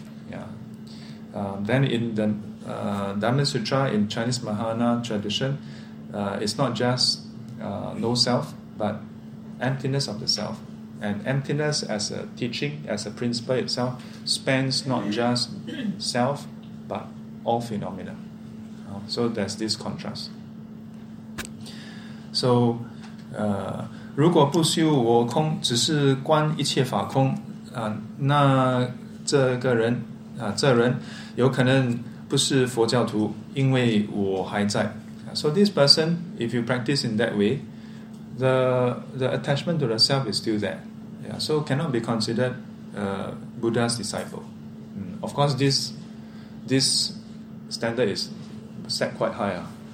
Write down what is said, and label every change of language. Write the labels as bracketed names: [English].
[English] Yeah. Then in the Dhamma Sutra, in Chinese Mahayana tradition, it's not just no self, but emptiness of the self. And emptiness as a teaching, as a principle itself, spans not just self, but all phenomena. So there's this contrast. [Chinese] So, 如果不修我空,只是观一切法空, 那这个人,这人有可能不是佛教徒, 因为我还在. [English] So this person, if you practice in that way, the attachment to the self is still there. Yeah, so cannot be considered Buddha's disciple. Of course, this standard is set quite high.